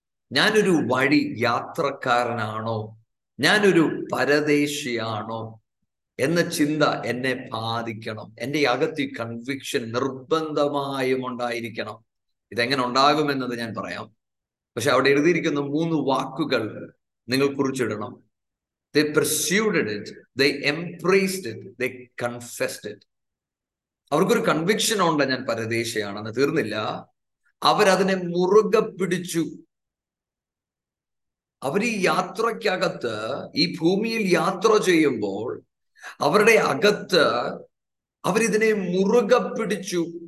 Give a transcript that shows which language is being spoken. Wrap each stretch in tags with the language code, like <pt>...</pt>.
<ml>ഞാനൊരു വഴി യാത്രക്കാരനാണോ? ഞാനൊരു പരദേശിയാണോ എന്ന ചിന്ത എന്നെ ബാധിക്കണം. എൻ്റെ അകത്ത് ഈ കൺവിക്ഷൻ നിർബന്ധമായും ഉണ്ടായിരിക്കണം. ഇതെങ്ങനെ ഉണ്ടാകുമെന്നത് ഞാൻ പറയാം, പക്ഷെ അവിടെ എഴുതിയിരിക്കുന്ന 3 വാക്കുകൾ നിങ്ങൾ കുറിച്ചിടണം.</ml> <en>They pursued it, they embraced it, they confessed it.</en> <ml>അവർക്കൊരു കൺവിക്ഷൻ ഉണ്ട്, ഞാൻ പരദേശിയാണെന്ന് തീർന്നില്ല, അവരതിനെ മുറുകെ പിടിച്ചു. അവർ ഈ യാത്രക്കകത്ത് ഈ ഭൂമിയിൽ യാത്ര ചെയ്യുമ്പോൾ അവരുടെ അകത്ത് അവരിതിനെ മുറുകെ പിടിച്ചു.</ml>